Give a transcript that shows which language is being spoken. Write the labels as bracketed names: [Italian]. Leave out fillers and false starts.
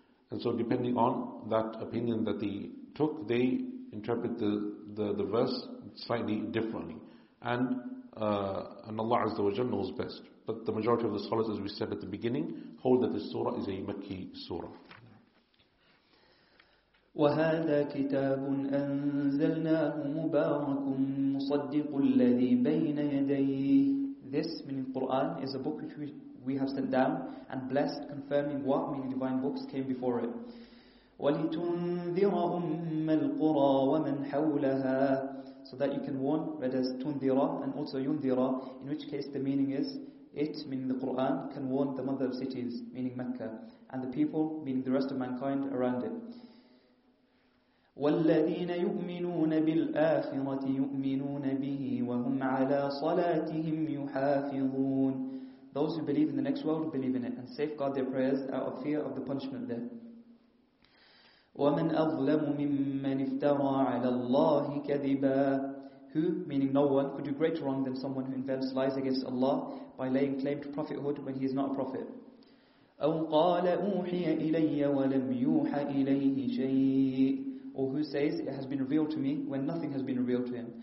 [English] And so depending on that opinion that they took, they interpret the verse slightly differently. And Allah Azza wa Jalla knows best. But the majority of the scholars, as we said at the beginning, hold that this surah is a Makki surah. [Arabic] وهذا كتاب أنزلناه مبارك مصدق الذي بين يديه. [English] This, meaning Quran, is a book which we have sent down and blessed, confirming what, meaning divine books, came before it. [Arabic] ولتنذر أم القرى ومن حولها. [English] So that you can warn, read as تنذر and also ينذر, in which case the meaning is, it, meaning the Quran, can warn the mother of cities, meaning Mecca, and the people, meaning the rest of mankind around it. [Arabic] والذين يؤمنون بالآخرة يؤمنون به وهم على صلاتهم يحافظون. [English] Those who believe in the next world believe in it and safeguard their prayers out of fear of the punishment there. [Arabic] ومن أظلم ممن افترى على الله كذبا. [English] Who, meaning no one, could do greater wrong than someone who invents lies against Allah by laying claim to prophethood when he is not a prophet. [Arabic] أو قال أوحي إلي ولم يوحى إليه شيء. [English] Or who says, it has been revealed to me when nothing has been revealed to him.